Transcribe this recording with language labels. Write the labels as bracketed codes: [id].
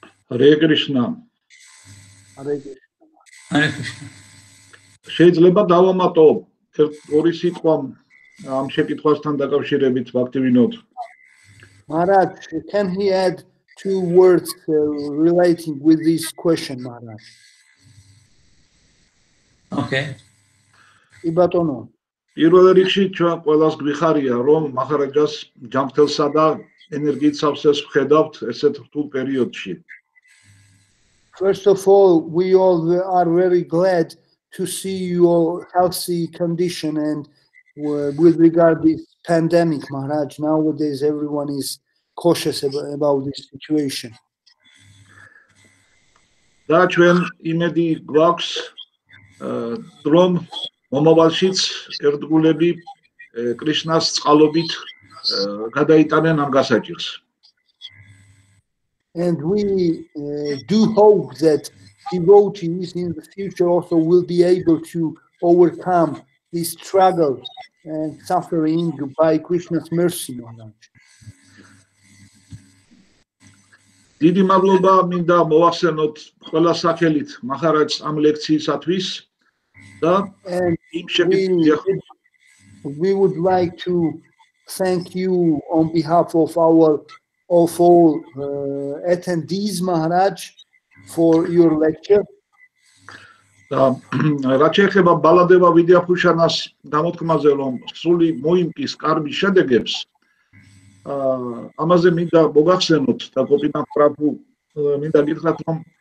[ka] ჰარე კრიშნა. ჰარე კრიშნა. შეიძლება დავამატო ორი სიტყვა ამ შეკითხვასთან დაკავშირებით ვაქტივინოთ. [en] Maharaj, can he add two words relating with this question, Maharaj? Okay. [ka] იბატონო. პირველ რიგში ჩვენ ყველას გვიხარია რომ მაჰარაჯას ჯამთელსა და ენერგიით სავსეს ვხედავთ ესეთ რთულ პერიოდში. [en] First of all, we all are very glad to see your healthy condition and with regard to this pandemic, Maharaj, nowadays everyone is cautious about this situation. [ka] და ჩვენ იმედი გვაქვს რომ მომავალშიც ერთგულები კრიშნას წყალობით გადაიტანენ ამ გასაჭირს. [en] And we do hope that devotees in the future also will be able to overcome these struggles and suffering by Krishna's mercy. [ka] დიდი მადლობა მინდა მოახსენოთ ყველა სახელით მაჰარაჯს ამ ლექციისათვის. [en] And we would like to thank you on behalf of all attendees, Maharaj, for your lecture. [ka] რაჩეხება ბალადევა ვიდიაფუშანას გამოთქმაზე რომ სული მოიმკის კარბი შედეგებს ამაზე მინდა მოგახსენოთ და გოპინა პრაბუ მინდა გითხრათ რომ